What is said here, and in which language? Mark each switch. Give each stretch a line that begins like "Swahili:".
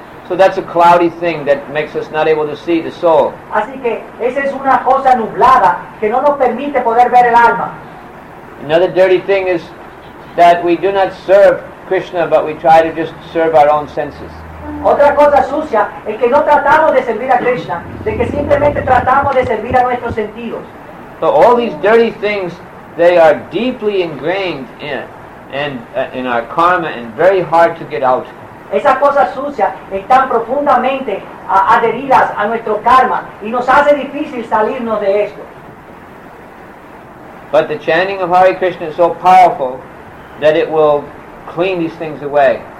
English: So that's a cloudy thing that makes us not able to see the soul.
Spanish: Así que esa es una cosa nublada que no nos permite poder ver el alma.
English: Another dirty thing is that we do not serve Krishna, but we try to just serve our own senses.
Spanish: Otra cosa sucia es que no tratamos de servir a Krishna, de que simplemente tratamos de servir a nuestros sentidos.
English: So all these dirty things, they are deeply ingrained in our karma and very hard to get out.
Spanish: Esas cosas sucias están profundamente adheridas a nuestro karma y nos hace difícil salirnos de esto.
English: But the chanting of Hare Krishna is so powerful that it will clean these things away.